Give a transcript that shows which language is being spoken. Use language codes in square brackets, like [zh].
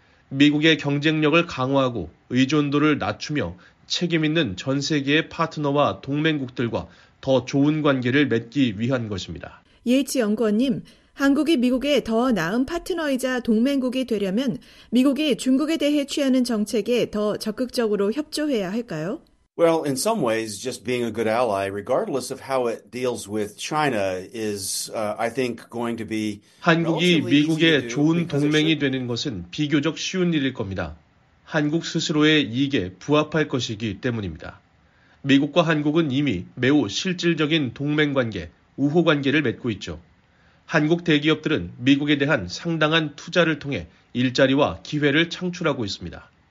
[ko] 미국의 경쟁력을 강화하고 의존도를 낮추며 책임 있는 전 세계의 파트너와 동맹국들과 더 좋은 관계를 맺기 위한 것입니다. 예이츠 연구원님, 한국이 미국의 더 나은 파트너이자 동맹국이 되려면 미국이 중국에 대해 취하는 정책에 더 적극적으로 협조해야 할까요? [en] Well, in some ways, just being a good ally, regardless of how it deals with China, is, I think, going to be. [ko] 한국이 미국의 좋은 동맹이 되는 것은 비교적 쉬운 일일 겁니다. 한국 스스로의 이익에 부합할 것이기 때문입니다. 미국과 한국은 이미 매우 실질적인 동맹관계, 우호관계를 맺고 있죠. 한국 대기업들은 미국에 대한 상당한 투자를 통해 일자리와 기회를 창출하고 있습니다.